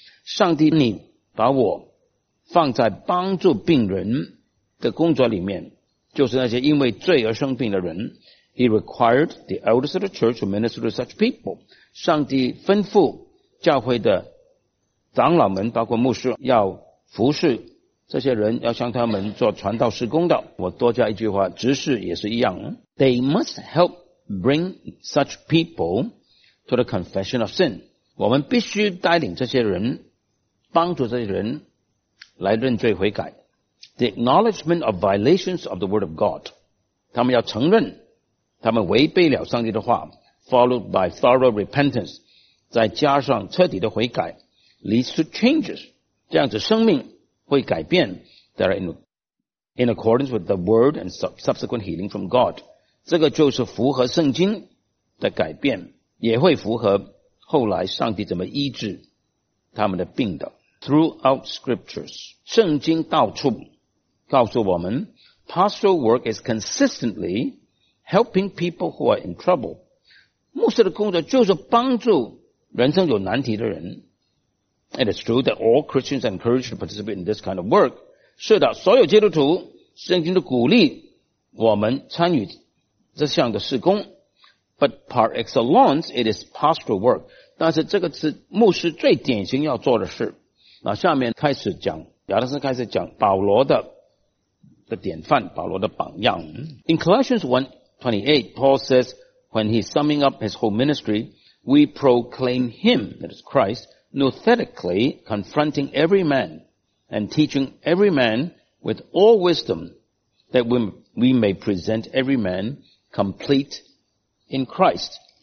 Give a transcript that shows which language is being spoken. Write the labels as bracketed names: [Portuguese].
[Chinese] 上帝你把我放在帮助病人的工作里面，就是那些因为罪而生病的人。 [English] He required the elders of the church to minister to such people. [Chinese] 上帝吩咐教会的长老们，包括牧师，要服侍这些人，要向他们做传道事工的。我多加一句话，执事也是一样。 [English] They must help bring such peopleto the confession of sin. [Chinese] 我们必须带领这些人，帮助这些人来认罪悔改。 [English] The acknowledgement of violations of the word of God. [Chinese] 他们要承认他们违背了上帝的话 [English] followed by thorough repentance. [Chinese] 再加上彻底的悔改 [English] leads to changes. [Chinese] 这样子生命会改变 [English] that are in accordance with the word and subsequent healing from God. [Chinese] 这个就是符合圣经的改变也会符合后来上帝怎么医治他们的病的。 [English] Throughout scriptures, [Chinese] 圣经到处告诉我们 [English] pastoral work is consistently helping people who are in trouble. [Chinese] 牧师的工作就是帮助人生有难题的人。 [English] It is true that all Christians are encouraged to participate in this kind of work. [Chinese] 是的，所有基督徒圣经都鼓励我们参与这项的事工。 [English] But par excellence, it is pastoral work. [Chinese] 但是这个是牧师最典型要做的事。那下面开始讲亚当斯开始讲保罗的典范保罗的榜样。 [English] In Colossians 1:28, Paul says, when he's summing up his whole ministry, we proclaim him, that is Christ, nothetically confronting every man and teaching every man with all wisdom that we may present every man complete in Christ.